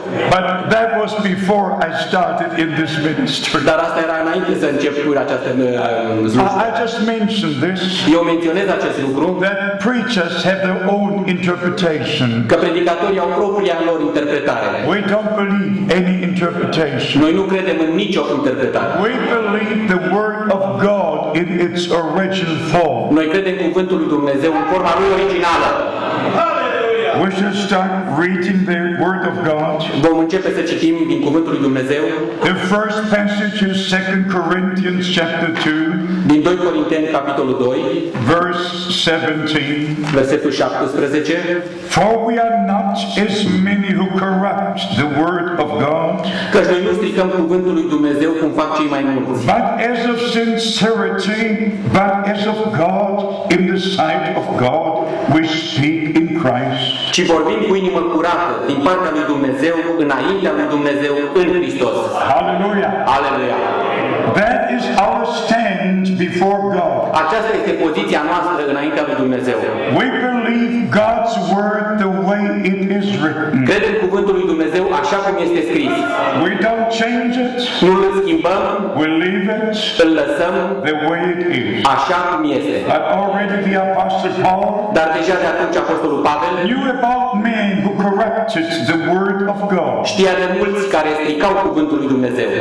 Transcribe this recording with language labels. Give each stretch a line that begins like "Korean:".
English: But that was before I started in this ministry.
Romanian: Dar asta era înainte să încep cu această slujbă.
English: I just mentioned this.
Romanian: Eu menționez acest lucru.
English: That preachers have their own interpretation.
Romanian: Că predicatorii au propria lor interpretare.
English: We don't believe any interpretation.
Romanian: Noi nu credem în nicio interpretare.
English: We believe the word of God in its original form.
Romanian: Noi credem cuvântul lui Dumnezeu în forma lui originală.
English: We shall start reading the Word of God.
Romanian: Vom începe să citim din cuvântul lui Dumnezeu.
English: The first passage is 2 Corinthians chapter 2.
Romanian: Din 2 Corinteni capitolul 2.
English: Verse 17.
Romanian: Versetul 17.
English: For we are not as many who corrupt the Word of God.
Romanian: Căci noi nu stricăm cuvântul lui Dumnezeu cum fac cei mai mulți.
English: But as of sincerity, but as of God, in the sight of God, we speak in Christ.
Romanian: Ci vorbim cu inimă curată din partea lui Dumnezeu înaintea lui Dumnezeu în Hristos.
English: Hallelujah.
Romanian: Aleluia.
English: That is our stand before God.
Romanian: Aceasta este poziția noastră înaintea lui Dumnezeu.
English: We believe God's word the way it is written.
Romanian: Credem cuvântul lui Dumnezeu așa cum este scris.
English: We don't change it.
Romanian: Nu îl schimbăm.
English: We leave it.
Romanian: Îl lăsăm
English: the way it is.
Romanian: Așa cum este.
English: But already the apostle Paul.
Romanian: Dar deja de atunci apostolul Pavel.
English: Knew about men who corrupted the word of God.
Romanian: Știa de mulți care stricau cuvântul lui Dumnezeu.